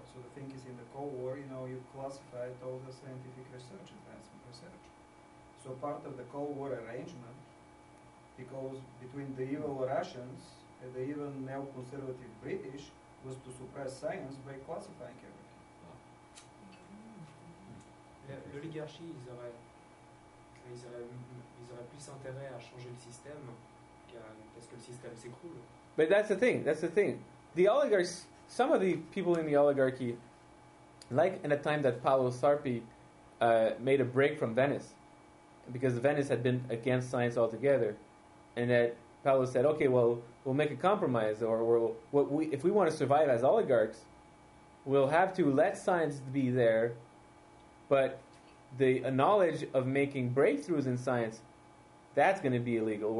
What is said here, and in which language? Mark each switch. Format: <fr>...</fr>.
<en>So the thing is, in the Cold War, you know, you classified all the scientific research, advanced research. So part of the Cold War arrangement, because between the evil Russians and the even neoconservative British, was to suppress science by classifying everything.</en> <fr>L'oligarchie, ils auraient plus intérêt à changer le système qu'est-ce que le système s'écroule.</fr> <en>But that's the thing. The oligarchs, some of the people in the oligarchy, like in a time that Paolo Sarpi made a break from Venice, because Venice had been against science altogether, and that Paolo said, okay, well, we'll make a compromise, or if we want to survive as oligarchs, we'll have to let science be there, but the knowledge of making breakthroughs in science, that's going to be illegal.</en>